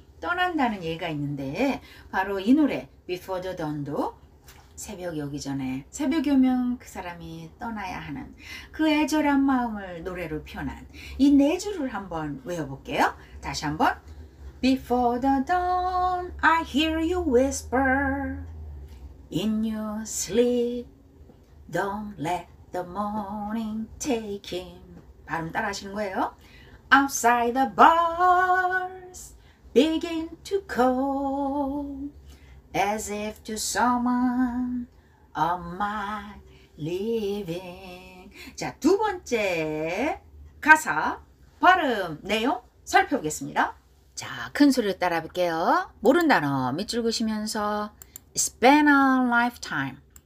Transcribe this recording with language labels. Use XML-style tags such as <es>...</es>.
<ko>떠난다는 얘기가 있는데 바로 이 노래 Before the Dawn도 새벽이 오기 전에 새벽이 오면 그 사람이 떠나야 하는 그 애절한 마음을 노래로 표현한 이 네 줄을 한번 외워볼게요. 다시 한번</ko> <en>Before the dawn I hear you whisper In your sleep Don't let the morning take him</en> <ko>발음 따라 하시는 거예요.</ko> <en>Outside the bars Begin to call As if to someone on my living.</en> <ko>자, 두 번째 가사 발음 내용 살펴보겠습니다. 자, 큰 소리로 따라 볼게요. 모른 단어 밑줄 그시면서</ko> <en>Spend a lifetime.</en>